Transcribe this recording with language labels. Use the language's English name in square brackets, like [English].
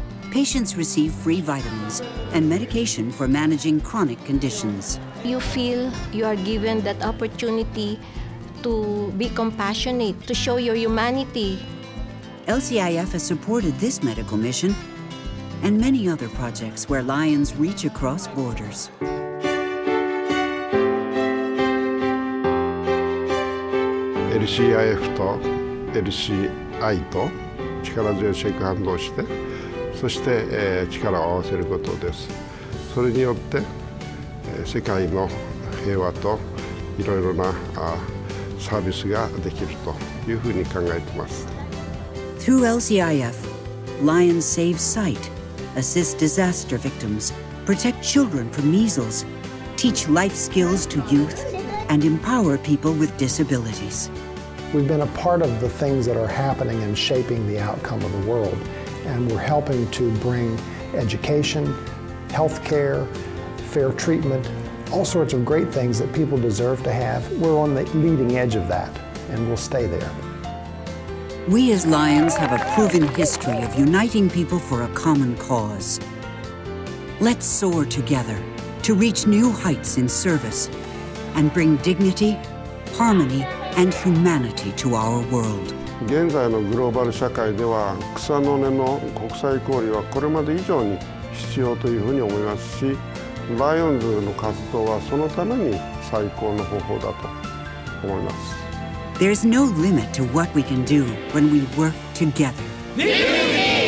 [English] Patients receive free vitamins and medication for managing chronic conditions. You feel you are given that opportunity to be compassionate, to show your humanity. LCIF has supported this medical mission and many other projects where Lions reach across borders. [Japanese] LCIF と LCI と力強いシェイクハンドをして、そして力を合わせることです。それによって世界の平和といろいろなサービスができるというふうに考えています。 [English] Through LCIF, Lions save sight, assist disaster victims, protect children from measles, teach life skills to youth, and empower people with disabilities. We've been a part of the things that are happening and shaping the outcome of the world, and we're helping to bring education, healthcare, fair treatment, all sorts of great things that people deserve to have. We're on the leading edge of that, and we'll stay there. We as Lions have a proven history of uniting people for a common cause. Let's soar together to reach new heights in service and bring dignity, harmony, and humanity to our world. [Japanese] 現在のグローバル社会では草の根の国際交流はこれまで以上に必要というふうに思いますし、ライオンズの活動はそのために最高の方法だと思います。 [English] There is no limit to what we can do when we work together.